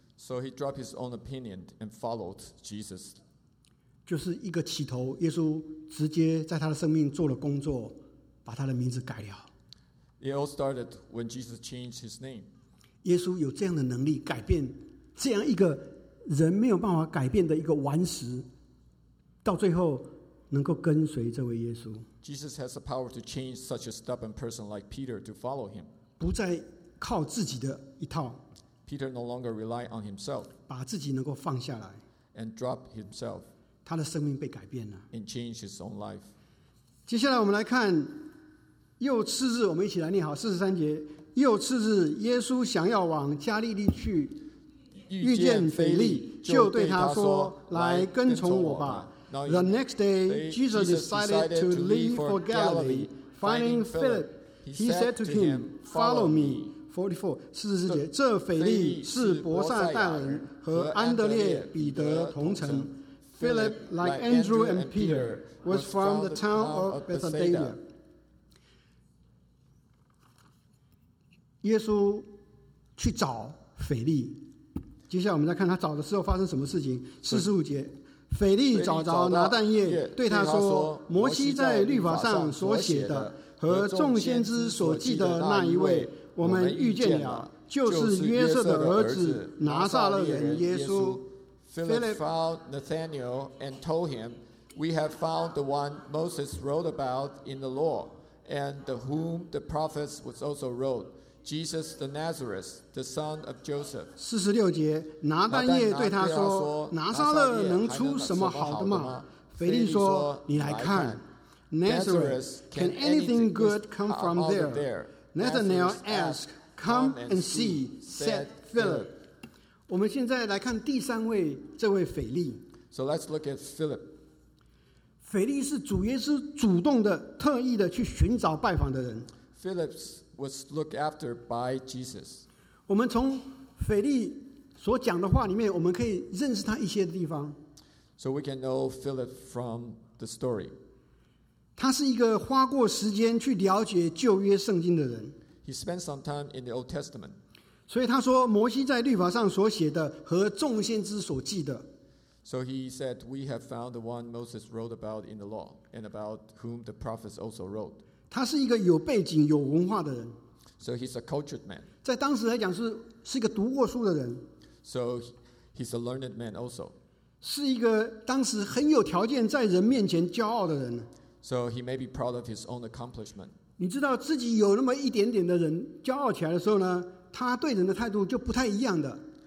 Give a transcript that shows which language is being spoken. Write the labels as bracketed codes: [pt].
[en] So he dropped his own opinion and followed Jesus. [zh] 就是一个起头，耶稣直接在他的生命做了工作，把他的名字改了。 [en] It all started when Jesus changed his name. [zh] 耶稣有这样的能力改变这样一个人没有办法改变的一个顽石。到最后能够跟随这位耶稣 [en] Jesus has the power to change such a stubborn person like Peter to follow him [zh] 不再靠自己的一套 [en] Peter no longer rely on himself [zh] 把自己能够放下来 [en] and drop himself [zh] 他的生命被改变了 [en] and change his own life [zh] 接下来我们来看又次日我们一起来念好43节又次日耶稣想要往加利利去遇见腓利就对他说来跟从我吧 [en] Now, the next day, Jesus decided to leave for Galilee. Finding Philip, he said to him, "Follow me." [zh] 44, 44节，这腓利是伯撒大人和安德烈、彼得同城。 [en] Philip, like Andrew and Peter, was from the town of Bethsaida. [zh] 耶稣去找腓利。接下来我们再看他找的时候发生什么事情。45节。腓利找着拿但业，对他说：“摩西在律法上所写的，和众先知所记的那一位，我们遇见了，就是约瑟的儿子拿撒勒人耶稣。 [en] Philip found Nathanael and told him, "We have found the one Moses wrote about in the law, and the whom the prophets was also wrote, Jesus the Nazareth, the son of Joseph." [zh] 四十六节，拿但业对他说：“拿撒勒能出什么好的吗？” 腓力说：“你来看 [en] ，Nazareth, can anything good come from there?" Nathanael asked, "Come and see," said Philip. [zh] 我们现在来看第三位，这位腓力。 [en] So let's look at Philip. [zh] 腓力是主耶稣主动的、特意的去寻找拜访的人。 [en] Philip was looked after by Jesus. [zh] 我们从腓力所讲的话里面，我们可以认识他一些地方。 [en] So we can know Philip from the story. [zh] 他是一个花过时间去了解旧约圣经的人。 [en] He spent some time in the Old Testament. [zh] 所以他说，摩西在律法上所写的和众先知所记的。 [en] So he said, "We have found the one Moses wrote about in the law, and about whom the prophets also wrote." [zh] 他是一个有背景、有文化的人。 [en] So he's a cultured man. [zh] 在当时来讲是一个读过书的人。 [en] So he's a learned man also. [zh] 是一个当时很有条件在人面前骄傲的人。 [en] So he may be proud of his own accomplishment. [zh] 你知道自己有那么一点点的人骄傲起来的时候呢？他对人的态度就不太一样的。